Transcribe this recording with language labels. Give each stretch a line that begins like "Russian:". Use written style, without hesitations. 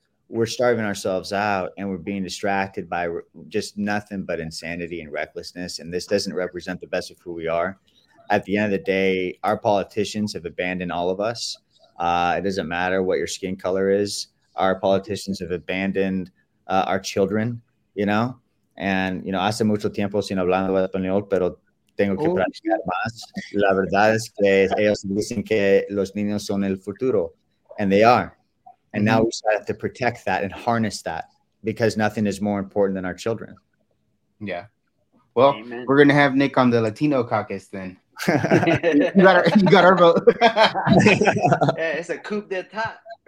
English: We're starving ourselves out and we're being distracted by just nothing but insanity and recklessness. And this doesn't represent the best of who we are. At the end of the day, our politicians have abandoned all of us. It doesn't matter what your skin color is. Our politicians have abandoned our children, you know, and, you know,
Spanish: hace mucho tiempo sin hablando español, pero tengo que practicar más. La verdad es que ellos dicen que los niños son el futuro.
English: And they are. And now we have to protect that and harness that, because nothing is more important than our children. Yeah. Well, amen. We're going to have Nick on the Latino caucus then. you got our vote. Yeah, it's a coup d'etat.